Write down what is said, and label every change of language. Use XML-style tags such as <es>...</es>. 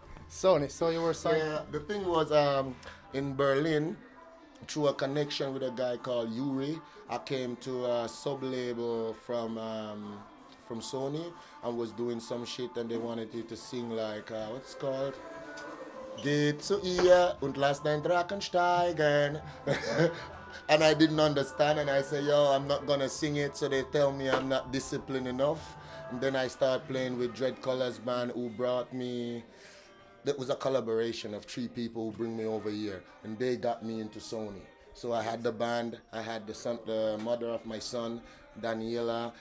<en>Sony, so you were signed? Yeah, the thing was in Berlin, through a connection with a guy called Yuri, I came to a sub-label from Sony and was doing some shit, and they wanted you to sing like, what's it called?</en> <de>Geht zu ihr und lass dein Drachen steigen.</de> <en>And I didn't understand, and I said, yo, I'm not gonna sing it, so they tell me I'm not disciplined enough. And then I start playing with Dread Colors Band, who brought me. It was a collaboration of three people who bring me over here, and they got me into Sony. So I had the band, I had the mother of my son, Daniela.</en>